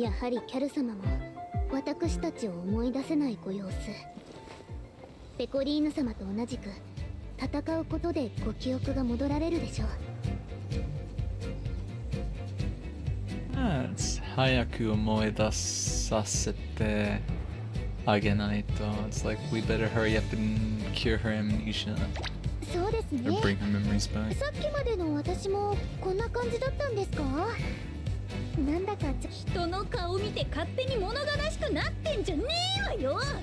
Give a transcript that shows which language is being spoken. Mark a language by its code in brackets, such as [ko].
[ja] やはりキャル様も私たちを思い出せないご様子。ペコリーヌ様と同じく戦うことでご記憶が戻られるでしょう。早く思い出させてあげないと。 [en] It's like we better hurry up and cure her amnesia. [ja] そうですね。 [en] Or bring her memories back. [ja] さっきまでの私もこんな感じだったんですか？なんだか人の顔見て勝手に物悲しくなってんじゃねえわよ。